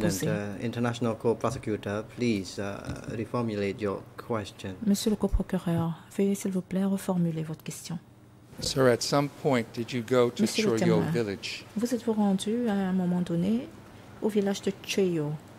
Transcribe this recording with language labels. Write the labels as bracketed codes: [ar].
[en] President, International Court Prosecutor, please reformulate your question. [fr] Monsieur le coprocureur, veuillez s'il vous plaît reformuler votre question. [en] Sir, at some point, did you go to Choyo village? [fr] Vous êtes-vous rendu à un moment donné au village de Choyo?